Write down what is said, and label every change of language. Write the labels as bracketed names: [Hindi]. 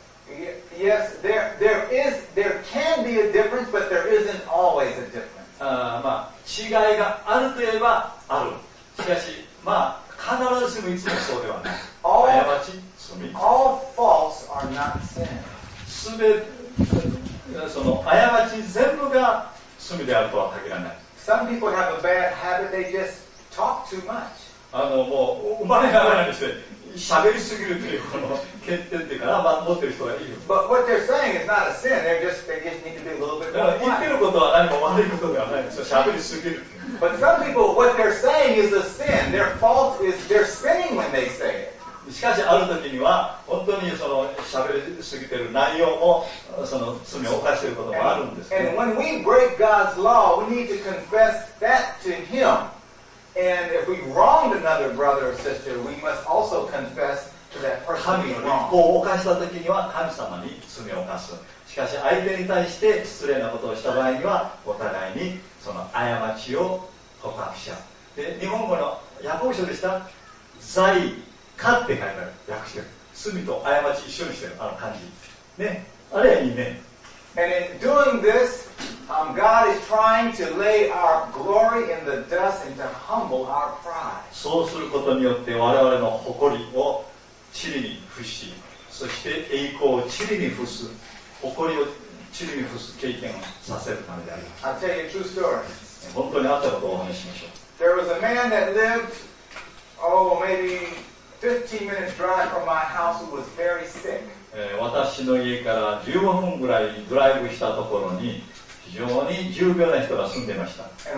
[English] There can be a difference, but there isn't always a difference. [Japanese] まあ、違いがあるといえばある。しかし、まあ、必ずしもいつもそうではない。過ち、罪。 [English] All faults are not sin. [Japanese] 全てその過ち全部が罪であるとは限らない。 [English] Some people have a bad habit, they just talk too much. [Japanese] もう生まれながらにして、喋りすぎるというこの欠点というかな、持ってる人がいる。 [English] But what they're saying is not a sin, they just need to be a little bit more. [Japanese] 言ってることは何も悪いことではないんですよ、喋りすぎる。 [English] But some people, what they're saying is a sin. Their fault is they're sinning when they say it. [Japanese] しかしある時には本当にその喋りすぎている内容もその罪を犯していることもあるんですけど。 [English] And when we break God's law, we need to confess that to Him. And if we wronged another brother or sister, we must also confess to that person. [Japanese] 神の律法を犯した時には神様に罪を犯す。しかし相手に対して失礼なことをした場合にはお互いにその過ちを告白し合う。で日本語の訳語書でした罪かって書いてある訳してる罪と過ち一緒にしてるあの感じね、あれはいいね。 [English] And in doing this、God is trying to lay our glory in the dust and to humble our pride。 [Japanese] そうすることによって我々の誇りを塵に伏し、そして栄光を塵に伏す、誇りを塵に伏す経験をさせるためであります。 [English] I'll tell you a true story。 [Japanese] 本当にあったことをお話ししましょう。 [English] There was a man that lived oh maybe 15 minutes drive from my house who was very sick。 [Japanese] 私の家から15分ぐらいドライブしたところに非常に重病な人が住んでました。